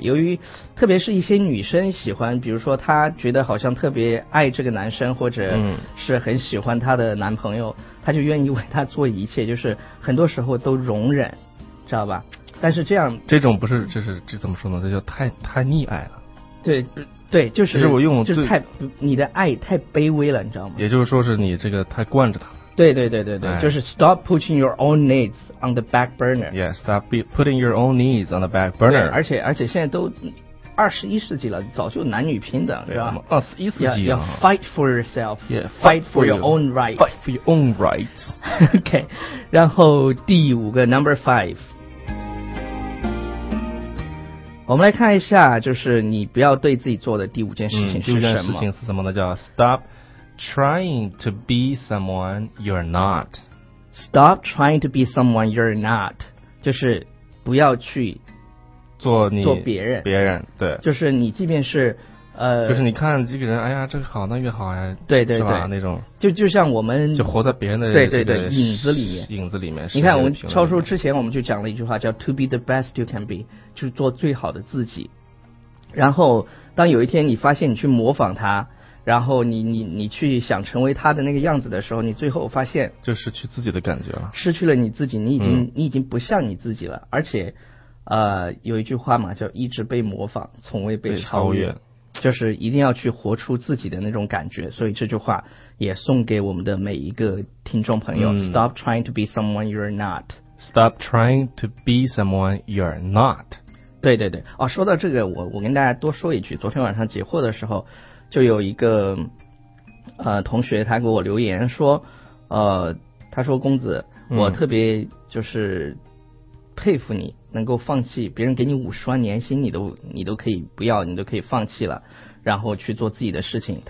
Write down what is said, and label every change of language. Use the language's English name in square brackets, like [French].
[Chinese] 由于特别是一些女生喜欢，比如说她觉得好像特别爱这个男生，或者是很喜欢她的男朋友，她就愿意为他做一切，就是很多时候都容忍，知道吧？但是这样，这种不是就是这怎么说呢？这叫太溺爱了。对对，就是其实我用就是太你的爱太卑微了，你知道吗？也就是说是你这个太惯着他了。对对对对对，哎， [English] 就是 stop putting your own needs on the back burner. Yes, stop putting your own needs on the back burner. [Chinese] 而且现在都21世纪了，早就男女平等，是吧？ 21世纪了， [English] 要 fight for yourself. Yeah, fight for your own right. Fight for your own rights. [Chinese] OK, 然后第五个 [English] number five. [Chinese] 我们来看一下，就是你不要对自己做的第五件事情是什么？第五件事情是什么呢？ [English] 叫 stop trying to be someone you're not. Stop trying to be someone you're not. [Chinese] 就是不要去做你做别人。别人对。就是你即便是就是你看这个人，哎呀，这个好，那个好呀，哎。对对对，那种。就像我们就活在别人的对对对影子里面。影子里面。你看，我们超叔之前我们就讲了一句话，叫 [English] "To be the best you can be"。 [Chinese] 就是做最好的自己，然后当有一天你发现你去模仿他，然后你去想成为他的那个样子的时候，你最后发现就失去自己的感觉了，失去了你自己，你已经不像你自己了。而且有一句话嘛，叫一直被模仿，从未被超越，就是一定要去活出自己的那种感觉。所以这句话也送给我们的每一个听众朋友， [English] Stop trying to be someone you're not Stop trying to be someone you're not. [Chinese] 对对对，哦，说到这个，我跟大家多说一句，昨天晚上解惑的时候，就有一个同学他给我留言说，他说公子，我特别就是佩服你，能够放弃别人给你50万年薪，你都可以不要，你都可以放弃了，然后去做自己的事情。